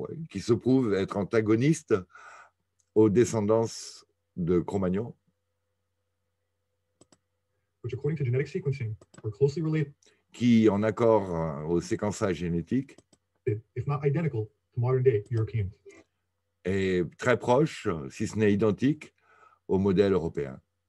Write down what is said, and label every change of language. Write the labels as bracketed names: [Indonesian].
[French] Qui se prouve être antagoniste aux descendants de Cro-Magnon. [English] Which according to genetic sequencing are closely related. [French] Qui, en accord au séquençage génétique, [English] if not identical to modern day Europeans. [French] Est très proche, si ce n'est identique, au modèle européen.